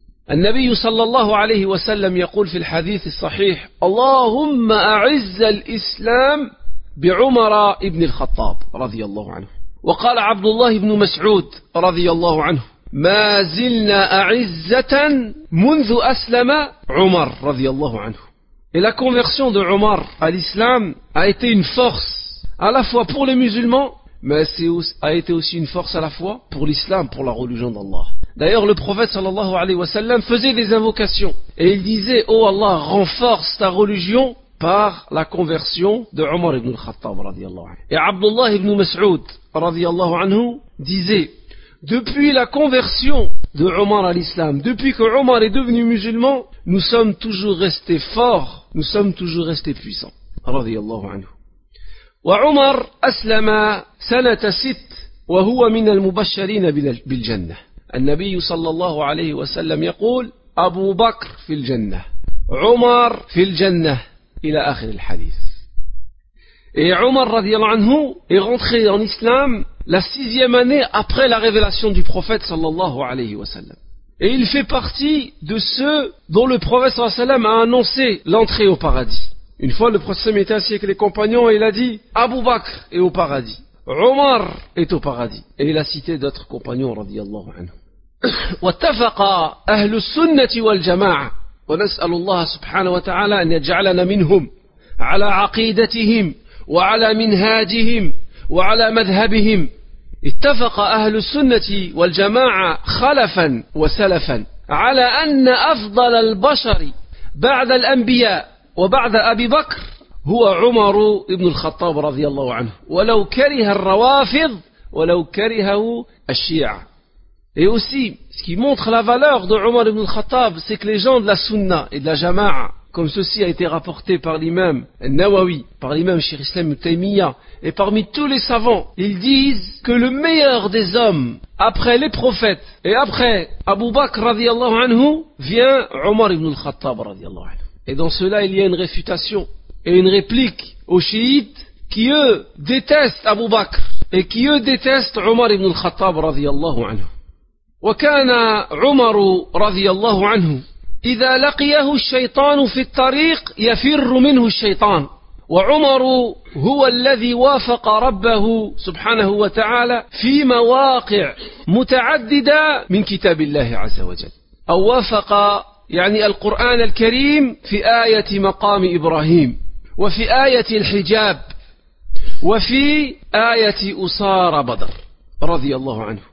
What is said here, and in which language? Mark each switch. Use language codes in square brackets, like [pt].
[ar] النبي صلى الله عليه وسلم يقول في الحديث الصحيح اللهم أعز الإسلام بعمر ابن الخطاب رضي الله عنه وقال عبد الله بن مسعود رضي الله عنه ما زلنا أعزة منذ أسلم عمر رضي الله عنه. [fr] Et la conversion de Omar à l'islam a été une force à la fois pour les musulmans, mais a été aussi une force à la fois pour l'islam, pour la religion d'Allah. D'ailleurs, le prophète sallallahu alayhi wa sallam faisait des invocations et il disait « Oh Allah, renforce ta religion par la conversion de Omar ibn al-Khattab » radiyallahu anhu. Et Abdullah ibn Mas'ud radiyallahu anhu disait « Depuis la conversion de Omar à l'islam, depuis que Omar est devenu musulman, nous sommes toujours restés forts, nous sommes toujours restés puissants » radiyallahu anhu. [ar] « Wa Omar aslama sanata sit wa huwa min al-mubashsharin bil jannah » النبي صلى الله عليه وسلم يقول أبو بكر في الجنة عمر في الجنة إلى آخر الحديث. [fr] Et عمر [ar] رضي الله عنه [fr] est rentré en islam la sixième année après la révélation du prophète [ar] صلى الله عليه وسلم. [fr] Et il fait partie de ceux dont le prophète [ar] صلى الله عليه وسلم [fr] a annoncé l'entrée au paradis. Une fois le prophète est assis avec les compagnons et il a dit Abu Bakr est au paradis. عمر est au paradis. Et il a cité d'autres compagnons [ar] رضي الله عنه. واتفق أهل السنة والجماعة ونسأل الله سبحانه وتعالى أن يجعلنا منهم على عقيدتهم وعلى منهاجهم وعلى مذهبهم. اتفق أهل السنة والجماعة خلفا وسلفا على أن أفضل البشر بعد الأنبياء وبعد أبي بكر هو عمر بن الخطاب رضي الله عنه ولو كره الروافض ولو كرهه الشيعة. [fr] Et aussi, ce qui montre la valeur de Omar ibn al-Khattab, c'est que les gens de la Sunna et de la Jama'a, comme ceci a été rapporté par l'imam al-Nawawi, par l'imam Cheikh Islam ibn Taymiyyah, et parmi tous les savants, ils disent que le meilleur des hommes, après les prophètes, et après Abu Bakr radiallahu anhu, vient Omar ibn al-Khattab radiallahu anhu. Et dans cela, il y a une réfutation et une réplique aux chiites qui eux détestent Abu Bakr et qui eux détestent Omar ibn al-Khattab radiallahu anhu. [ar] وكان عمر رضي الله عنه إذا لقيه الشيطان في الطريق يفر منه الشيطان وعمر هو الذي وافق ربه سبحانه وتعالى في مواقع متعددة من كتاب الله عز وجل أو وافق يعني القرآن الكريم في آية مقام إبراهيم وفي آية الحجاب وفي آية أسار بدر رضي الله عنه.